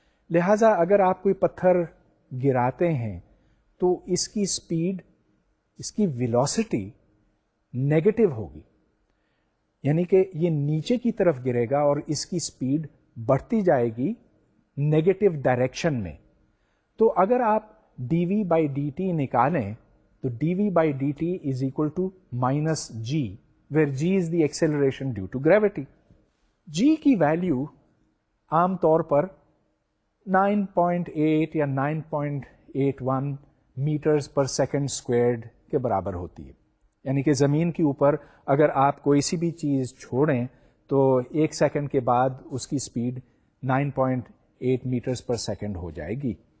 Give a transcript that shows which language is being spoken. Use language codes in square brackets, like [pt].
[hi] लिहाजा अगर आप कोई पत्थर गिराते हैं तो इसकी स्पीड, इसकी वेलोसिटी नेगेटिव होगी, यानी कि ये नीचे की तरफ गिरेगा और इसकी स्पीड बढ़ती जाएगी नेगेटिव डायरेक्शन में. तो अगर आप [en] dv by dt [hi] निकालें तो [en] dv by dt is equal to minus g, where g is the acceleration due to gravity. [hi] g की वैल्यू आम तौर पर 9.8 या 9.81 मीटर्स पर सेकेंड स्क्वेयर्ड के बराबर होती है. यानी कि जमीन के ऊपर अगर आप कोई सी भी चीज छोड़ें तो एक सेकेंड के बाद उसकी स्पीड 9.8 मीटर्स पर सेकेंड हो जाएगी.